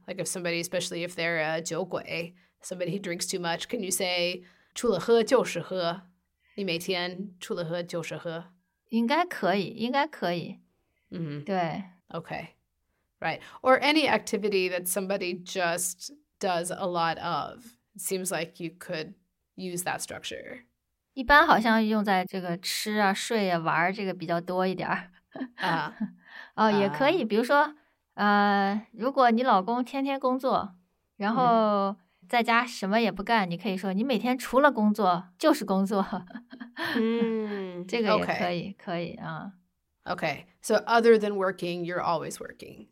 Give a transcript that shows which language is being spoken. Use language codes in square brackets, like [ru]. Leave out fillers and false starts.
[en] Like if somebody, especially if they're a 酒鬼, somebody who drinks too much, can you say [zh] 除了喝就是喝？你每天除了喝就是喝？应该可以，应该可以。 Mm-hmm. 对。 [en] Okay, right. Or any activity that somebody just does a lot of. It seems like you could use that structure. [zh] 一般好像用在这个吃啊、睡啊、玩儿这个比较多一点儿。啊，哦，也可以，比如说，如果你老公天天工作，然后在家什么也不干，你可以说你每天除了工作就是工作。嗯，这个也可以， [en] okay. [zh] 可以啊。 [en] Okay, so other than working, you're always working.